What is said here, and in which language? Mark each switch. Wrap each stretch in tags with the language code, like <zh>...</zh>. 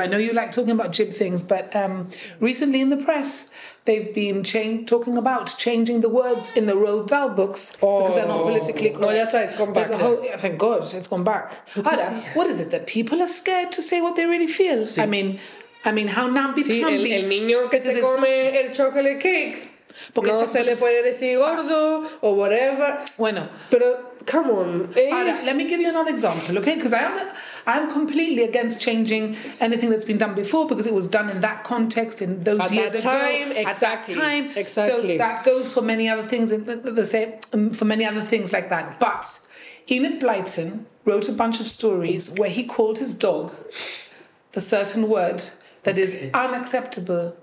<en>I know you like talking about Jib things, but recently in the press, they've been talking about changing the words in the Roald Dahl books because they're not politically correct.</en> <es>No, ya está,</es> <en>it's gone back. Thank God, it's gone back. Ada, what is it that people are scared to say what they really feel?</en> <es>Sí.</es> <en>I mean, how nampy pampy.</en> <es>Sí, el niño que se come el chocolate cake. Porque no se le puede decir gordo o whatever. Bueno.</es> <en>Pero Come on. Let me give you another example, okay? Because I'm completely against changing anything that's been done before because it was done in that context, in those at years that time, ago. Exactly. At that time. Exactly. So that goes for many other things, the same, for many other things like that. But Enid Blyton wrote a bunch of stories where he called his dog the certain word that is unacceptable.</en>